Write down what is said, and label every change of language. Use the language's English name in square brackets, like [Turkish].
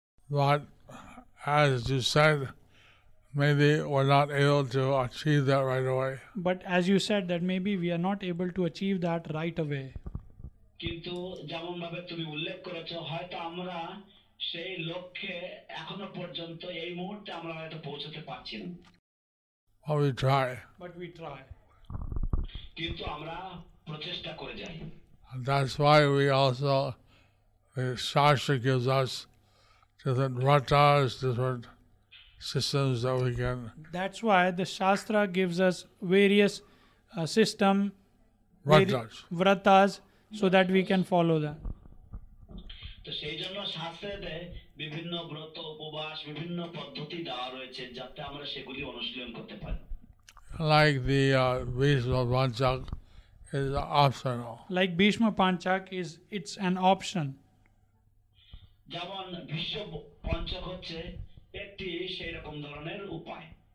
[English] But as you said, maybe we're not able to achieve that right away. But as you said, that maybe we are not able to achieve that right away. [Bangla] কিন্তু যেমন ভাবে তুমি উল্লেখ করেছো হয়তো আমরা সেই লক্ষ্যে এখনো পর্যন্ত এই মুহূর্তে আমরা হয়তো পৌঁছতে পারছি না [English] we try but we try [Bangla] কিন্তু আমরা প্রচেষ্টা করে যাই [English] and that's why we also the Shastra gives us different ratas different systems that we can that's why the Shastra gives us various system ratas vratas So that we can follow that. [Bangla] তো সেই জন্য শাস্ত্রে বিভিন্ন ব্রত উপবাস বিভিন্ন পদ্ধতি দেওয়া রয়েছে যাতে আমরা সেগুলি অনুশীলন করতে পারি. [English] Like the Bhishma Panchak is optional. Like Bhishma Panchak is it's an option. [Bangla] যেমন Bhishma Panchak হচ্ছে একটি সেই রকম ধরনের উপায়.